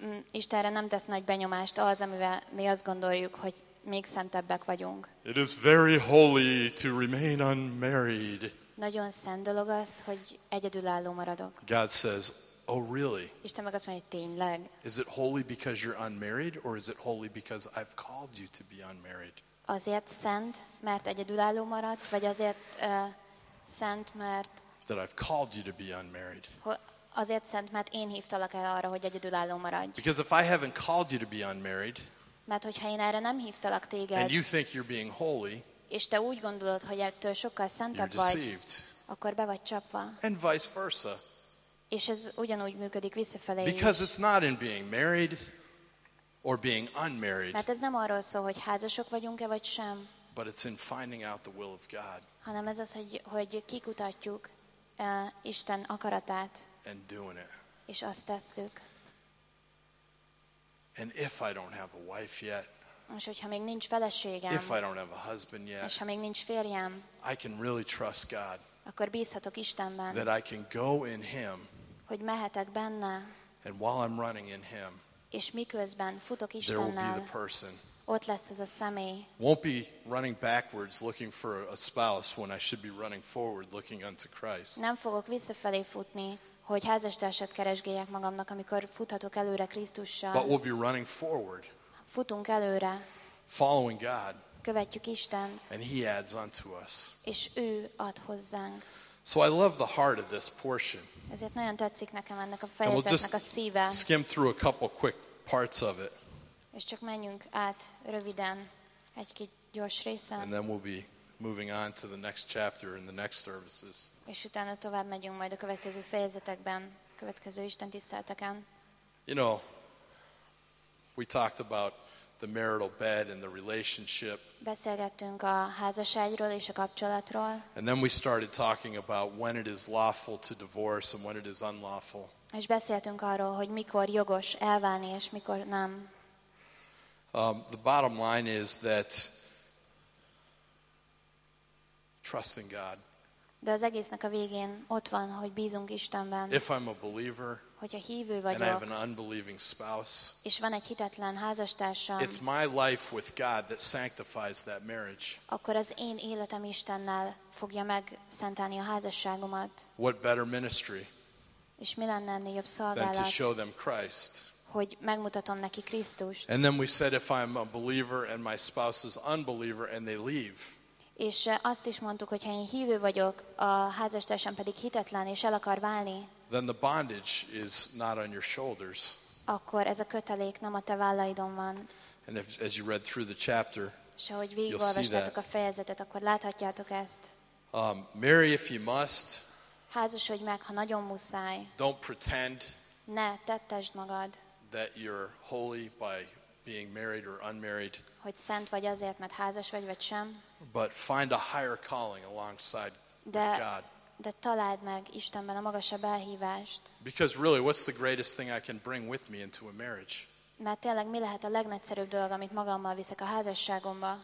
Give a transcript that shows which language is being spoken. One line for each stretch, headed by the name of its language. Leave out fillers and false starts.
Hungarian: Istenre nem tesz nagy benyomást az, amivel mi azt gondoljuk, hogy még szentebbek vagyunk.
English: It is very holy to remain unmarried.
Hungarian: Nagyon szent dolog az, hogy egyedülálló maradok.
English: God says, oh really?
Hungarian: Isten meg azt mondja, tényleg?
English: Is it holy because you're unmarried, or is it holy because I've called you to be unmarried?
Hungarian: Azért szent, mert egyedülálló maradsz, vagy azért szent, mert
English: that I've called you to be unmarried.
Hungarian: Azért szent, mert én hívtalak el arra, hogy egyedülálló maradj.
English: Because if I haven't called you to be unmarried,
Hungarian: mert hogyha én erre nem hívtalak téged,
English: and you think you're being holy,
Hungarian: és te úgy gondolod, hogy ettől sokkal szentebb vagy, akkor be vagy csapva.
English: And vice versa.
Hungarian: És ez ugyanúgy működik visszafelé.
English: Because it's not in being married or being unmarried.
Hungarian: Mert ez nem arról szól, hogy házasok vagyunk-e vagy sem.
English: But it's in finding out the will of God.
Hungarian: Hanem ez az, hogy kikutatjuk Isten akaratát.
English: And doing it.
Hungarian: És azt tesszük.
English: And if I don't have a wife yet.
Hungarian: És hogyha még nincs feleségem.
English: If I don't have a husband yet.
Hungarian: És ha még nincs férjem.
English: I can really trust God.
Hungarian: Akkor bízhatok Istenben.
English: That I can go in him.
Hungarian: Hogy mehetek benne.
English: And while I'm running in him.
Hungarian: És miközben futok Istennel.
English: There will be the person.
Hungarian: Ott lesz ez a személy.
English: Won't be running backwards looking for a spouse when I should be running forward looking unto Christ.
Hungarian: Nem fogok visszafelé futni, hogy házastársat keresgéljek magamnak, amikor futhatok előre Krisztussal.
English: But we'll be running forward.
Hungarian: Futunk előre.
English: Following God.
Hungarian: Követjük Istent.
English: And he adds unto us.
Hungarian: És ő ad hozzánk.
English: So I love the heart of this portion.
Hungarian: Ezért nagyon tetszik nekem ennek a fejezetnek a szíve.
English: We'll just skim through a couple quick parts of it.
Hungarian: És csak menjünk át röviden egy-két gyors részen.
English: And then we'll be moving on to the next chapter in the next services.
Hungarian: És utána tovább megyünk majd a következő fejezetekben, a következő Isten tiszteleteken.
English: You know, we talked about the marital bed and the relationship.
Hungarian: Beszélgettünk a házasságról és a kapcsolatról.
English: And then we started talking about when it is lawful to divorce and when it is unlawful.
Hungarian: És beszéltünk arról, hogy mikor jogos elválni és mikor nem.
English: The bottom line is that trusting God.
Hungarian: De az egésznek a végén ott van, hogy bízunk Istenben.
English: If I'm a believer,
Hungarian: hogyha hívő vagyok,
English: and I have an unbelieving spouse,
Hungarian: és van egy hitetlen házastársam,
English: it's my life with God that sanctifies that marriage.
Hungarian: Akkor az én életem Istennel fogja megszentelni a házasságomat.
English: What better ministry?
Hungarian: És mi lenne ennél jobb szolgálat?
English: Than to show them Christ.
Hungarian: Hogy megmutatom neki Krisztust.
English: And then we said if I'm a believer and my spouse is unbeliever and they leave.
Hungarian: És azt is mondtuk, hogy ha én hívő vagyok, a házastársam pedig hitetlen és el akar válni.
English: Then the bondage is not on your shoulders.
Hungarian: Akkor ez a kötelék nem a te vállaidon van.
English: And if, as you read through the chapter,
Hungarian: és ahogy végigolvastátok a fejezetet, akkor láthatjátok ezt.
English: Marry if you must.
Hungarian: Házasodj meg, ha nagyon muszáj.
English: Don't pretend.
Hungarian: Ne tettesd magad.
English: That you're holy by being married or unmarried.
Hungarian: Hogy szent vagy azért, mert házas vagy, vagy sem.
English: But find a higher calling alongside with God.
Hungarian: De találd meg Istenben a magasabb elhívást.
English: Because really, what's the greatest thing I can bring with me into a marriage?
Hungarian: Mert tényleg mi lehet a legnagyszerűbb dolog, amit magammal viszek a házasságomba?